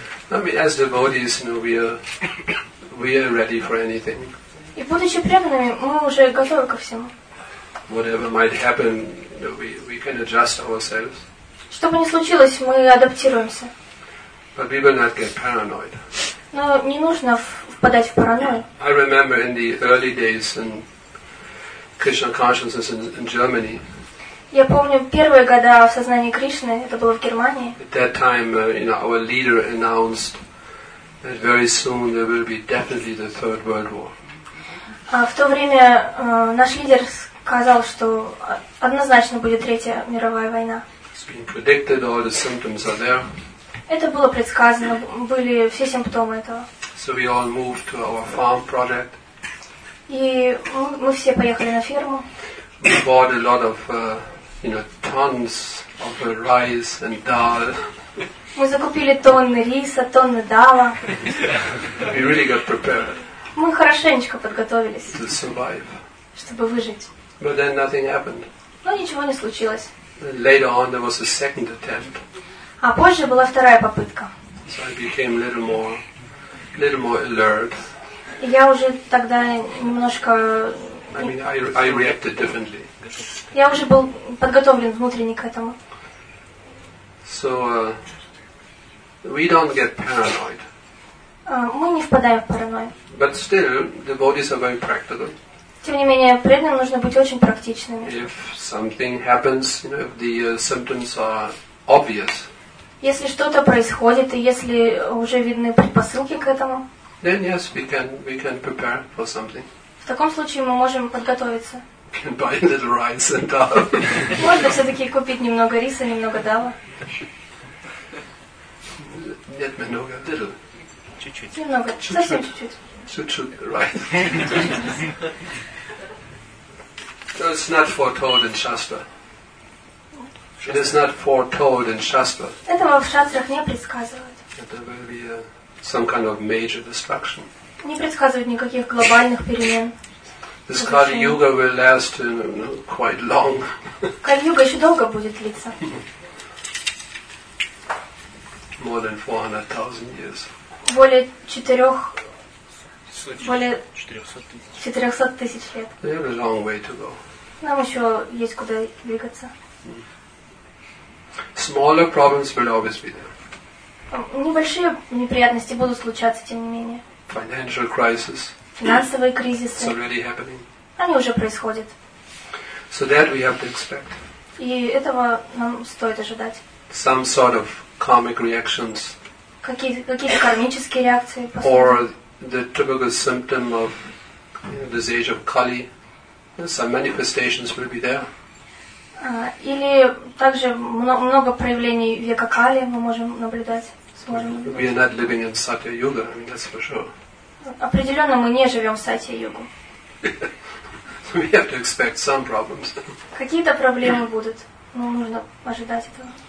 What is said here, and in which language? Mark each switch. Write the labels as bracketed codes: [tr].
[en] I mean, as devotees, you know, we are ready for anything. [ru] И будучи преданными, мы уже готовы ко всему. [en] Whatever might happen, you know, we can adjust ourselves. [ru] Что бы ни случилось, мы адаптируемся. [en] But we will not get paranoid. [ru] Но не нужно впадать в паранойю. [en] I remember in the early days in Krishna consciousness in Germany. [ru] Я помню первые года в сознании Кришны, это было в Германии. [en] At that time, you know, our leader announced that very soon there will be definitely the Third World War. [ru] В то время наш лидер сказал, что однозначно будет Третья мировая война. [en] It's been predicted, all the symptoms are there. [ru] Это было предсказано, были все симптомы этого. [en] So we all moved to our farm project. [ru] И мы все поехали на ферму. [en] We bought a lot of, you know, tons of rice and dal. [ru] Мы закупили тонны риса, тонны дала. [en] We really got prepared. [ru] Мы хорошенечко подготовились. [en] To survive. [ru] Чтобы выжить. [en] But then nothing happened. [ru] Но ничего не случилось. [en] Later on there was a second attempt. [ru] А позже была вторая попытка. [en] So I became a little more alert. [ru] Я уже тогда немножко... [en] I mean, I reacted differently. [ru] Я уже был подготовлен внутренне к этому. [en] So, we don't get paranoid. [ru] Мы не впадаем в паранойю. [en] But still, the bodies are very practical. [ru] Тем не менее, преданным нужно быть очень практичными. [en] If something happens, you know, if the symptoms are obvious, [ru] если что-то происходит, и если уже видны предпосылки к этому, [en] then yes, we can prepare for something. [ru] В таком случае мы можем подготовиться. [en] Can buy a little rice and dal. [ru] Можно все-таки купить немного риса, немного дала. Нет, немного, little. Чуть-чуть. Немного, совсем чуть-чуть. Чуть-чуть, [en] right. So it's not foretold in Shastra. It is not foretold in Shastra. [ru] Этого в шастрах не предсказывают. [en] There will be some kind of major destruction. [ru] Не предсказывают никаких глобальных перемен. [en] This Kali Yuga will last, you know, quite long. [ru] Kali Yuga еще долго будет длиться. [en] More than 400,000 years. [ru] Более 400 тысяч лет. [en] We have a long way to go. [ru] Нам еще есть куда двигаться. [en] Smaller problems will always be there. [ru] Небольшие неприятности будут случаться, тем не менее. [en] Financial crisis. [ru] Финансовые кризисы. [en] It's already happening. [ru] Они уже происходят. [en] So that we have to expect. [ru] И этого нам стоит ожидать. [en] Some sort of karmic reactions. [ru] Какие-то кармические реакции. [en] Or the typical symptom of, you know, this age of Kali. Some manifestations will be there. [ru] Или также много проявлений века Кали мы можем наблюдать. [en] We are not living in Satya Yuga, I mean, that's for sure. [ru] Определенно мы не живем в Сатья Югу. [en] We have to expect some problems. [ru] Какие-то проблемы будут, но нужно ожидать этого.